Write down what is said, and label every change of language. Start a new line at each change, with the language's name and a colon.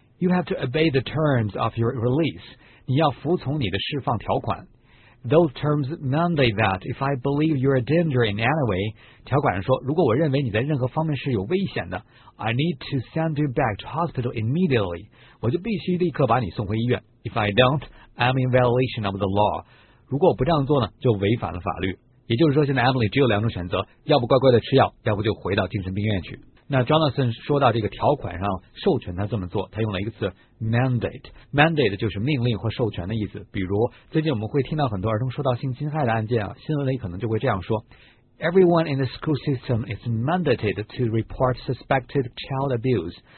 English: You have to obey the terms of your release.
Chinese: 你要服从你的释放条款。
English: Those terms mandate that if I believe you're a danger in any way,
Chinese: 条款上说，如果我认为你在任何方面是有危险的
English: ，I need to send you back to hospital immediately.
Chinese: 我就必须立刻把你送回医院。
English: If I don't, I'm in violation of the law.
Chinese: 如果我不这样做呢，就违反了法律。也就是说，现在 Emily 只有两种选择，要不乖乖的吃药，要不就回到精神病院去。那 Jonathan 说到这个条款上授权他这么做，他用了一个词 mandate， mandate 就是命令或授权的意思。比如最近我们会听到很多儿童受到性侵害的案件啊，新闻里可能就会这样说：
English: Everyone in the school system is mandated to report suspected child abuse。